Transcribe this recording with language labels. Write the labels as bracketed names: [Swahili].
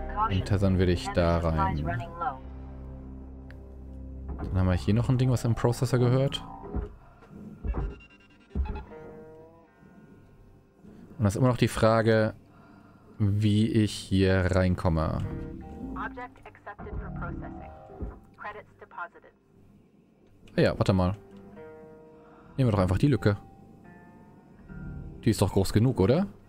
[German] Und tessern will ich da rein. Dann haben wir hier noch ein Ding, was im Processor gehört. Und da ist immer noch die Frage, wie ich hier reinkomme. [English] Object accepted for processing. Credits deposited. [German] Ja, warte mal. Nehmen wir doch einfach die Lücke. Die ist doch groß genug, oder?